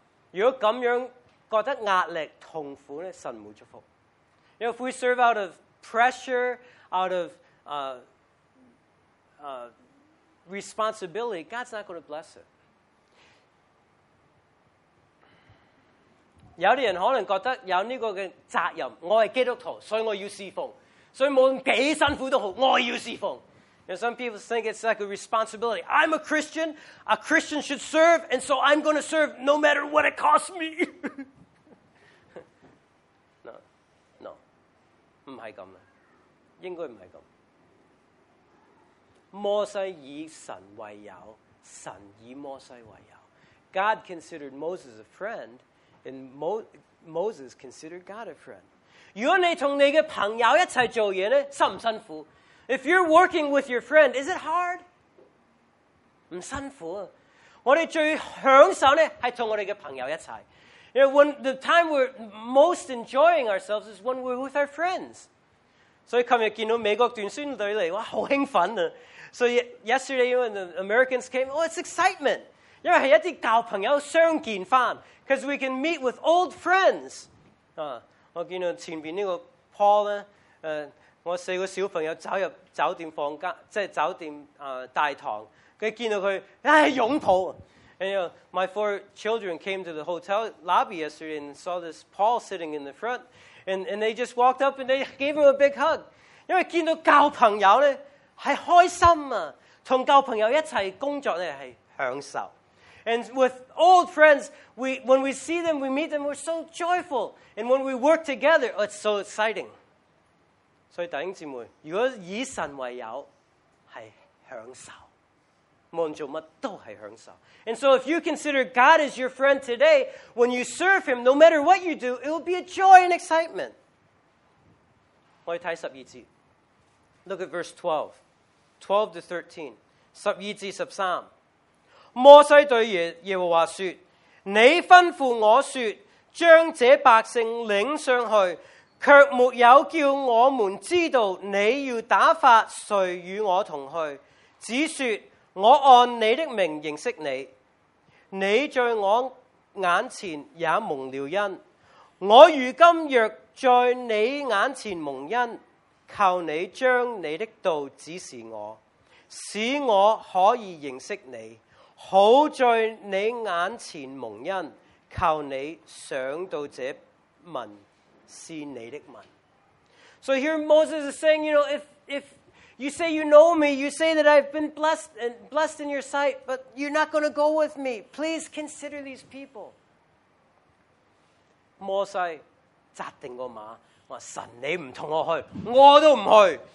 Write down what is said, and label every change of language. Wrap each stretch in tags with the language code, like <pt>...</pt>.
<zh>如果这样觉得压力痛苦，神不会祝福。</zh> <en>You know, if we serve out of pressure, out of responsibility, God's not going to bless it.</en> <zh>有些人可能觉得有这个责任，我是基督徒，所以我要侍奉，所以无论多辛苦都好，我要侍奉。</zh> <en>And some people think it's like a responsibility. I'm a Christian should serve, and so I'm going to serve no matter what it costs me. No,</en> <zh>不是这样，应该不是这样。摩西以神为友，神以摩西为友。</zh> <en>God considered Moses a friend, and Moses considered God a friend.</en> <zh>如果你同你嘅朋友一齐做嘢咧，辛唔辛苦</zh> <en>？If you're working with your friend, is it hard?</en> <zh>唔辛苦。我哋最享受咧系同我哋嘅朋友一齐。</zh> <en>You know, when the time we're most enjoying ourselves is when we're with our friends.</en> <zh>所以今日见到美国短宣队嚟，哇，好兴奋啊！</zh> <en>So yesterday when the Americans came, oh, it's excitement.</en> <zh>因为是一些旧朋友相见翻。</zh> <en>Because we can meet with old friends.</en> <zh>我见到前面这个 Paul 呢，我四个小朋友走入酒店房间，即是酒店大堂。他见到他，哎，拥抱。</zh> <en>And you know, my four children came to the hotel lobby yesterday and saw this Paul sitting in the front. And they just walked up and they gave him a big hug.</en> <zh>因为见到教朋友呢是开心啊，同教朋友一起工作呢是享受。</zh> <en>And with old friends, when we see them, we meet them, we're so joyful. And when we work together, it's so exciting.</en> <zh>所以弟兄姊妹，如果以神为友，是享受，无论做乜都是享受。</zh> <en>And so if you consider God as your friend today, when you serve Him, no matter what you do, it will be a joy and excitement.</en> <zh>我们看十二节，</zh> <en>Look at verse 12, 12 to 13,</en> <zh>十二节十三。摩西对耶和华说：你吩咐我说，将这百姓领上去，却没有叫我们知道你要打发谁与我同去，只说我按你的名认识你，你在我眼前也蒙了恩。我如今若在你眼前蒙恩，求你将你的道指示我，使我可以认识你，好在你眼前蒙恩，靠你想到这文是你的文。</zh> <en>So here Moses is saying, you know, if you say you know me, you say that I've been blessed in your sight, but you're not going to go with me. Please consider these people.</en> <zh>摩西扎定个马，话神你唔同我去，我都唔去。</zh>